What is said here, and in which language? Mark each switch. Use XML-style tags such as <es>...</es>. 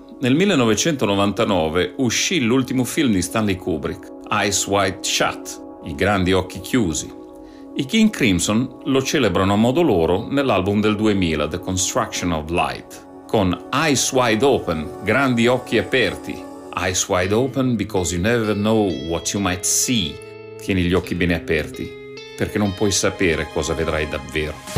<it>Nel 1999 uscì l'ultimo film di Stanley Kubrick, Eyes Wide Shut, I grandi occhi chiusi. I King Crimson lo celebrano a modo loro nell'album del 2000, The Construction of Light, con Eyes Wide Open, grandi occhi aperti.</it> <en>Eyes Wide Open because you never know what you might see.</en> <it>Tieni gli occhi bene aperti, perché non puoi sapere cosa vedrai davvero.</it>